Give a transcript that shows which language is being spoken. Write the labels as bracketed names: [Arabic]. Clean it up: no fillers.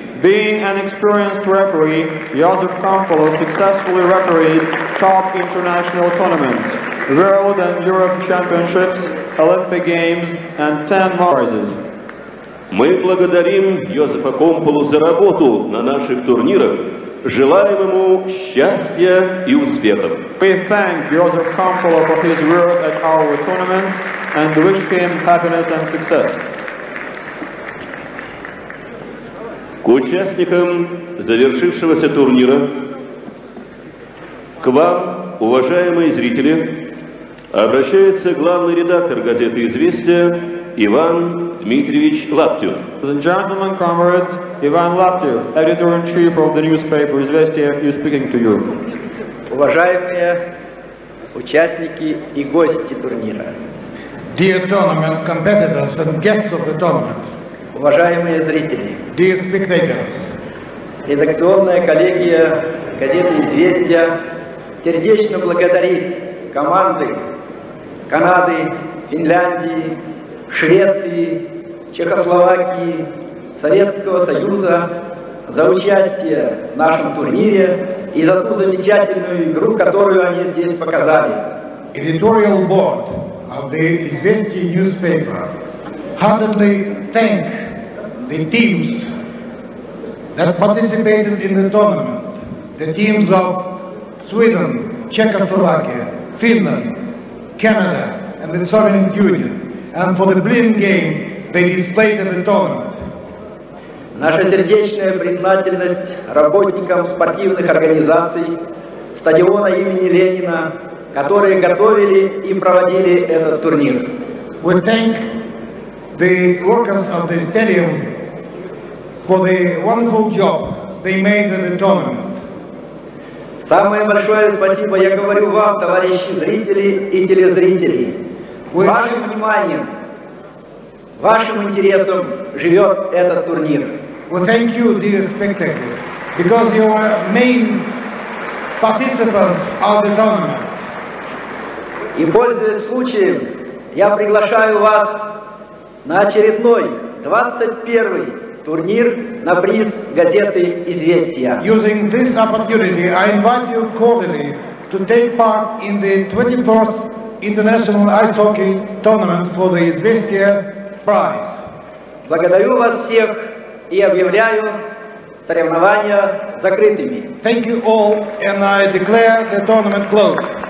[English] Being an experienced referee, Йозеф Компалла successfully refereed top international tournaments, World and Europe Championships, Olympic Games and 10 prizes. [Russian] Мы благодарим Йозефа Компаллу за работу на наших турнирах, желаем ему счастья и успехов. [English] We thank Йозеф Компалла for his work at our tournaments and wish him happiness and success. [Russian] К участникам завершившегося турнира, к вам, уважаемые зрители, обращается главный редактор газеты «Известия» Иван Дмитриевич Лаптев. [English] The gentlemen, comrades, Иван Лаптев, editor-in-chief of the newspaper «Известия», is speaking to you. [Russian] Уважаемые участники и гости турнира. [English] Dear tournament competitors and guests of the tournament. [Russian] Уважаемые зрители. [English] Dear spectators. [Russian] Редакционная коллегия газеты «Известия» сердечно благодарит команды Канады, Финляндии, Швеции, Чехословакии, Советского Союза за участие в нашем турнире и за ту замечательную игру, которую они здесь показали. [English] Editorial board of the Izvestia newspaper heartily thank the teams that participated in the tournament, the teams of Sweden, Czechoslovakia, Finland, Canada and the Soviet Union. And for the brilliant game they displayed in the tournament. [Russian] Наша сердечная признательность работникам спортивных организаций стадиона имени Ленина, которые готовили и проводили этот турнир. [English] We thank the workers of the stadium for the wonderful job they made in the tournament. [Russian] Самое большое спасибо я говорю вам, товарищи зрители и телезрители. Вашим вниманием, вашим интересом живет этот турнир. [English] Well, thank you, dear spectators, because you are main participants of the tournament. [Russian] И пользуясь случаем, я приглашаю вас на очередной 21-й турнир на приз газеты «Известия». [English] Using this opportunity, I invite you cordially to take part in the 21st International Ice Hockey Tournament for the Izvestia Prize. [Russian] Благодарю вас всех и объявляю соревнования закрытыми. [English] Thank you all, and I declare the tournament closed.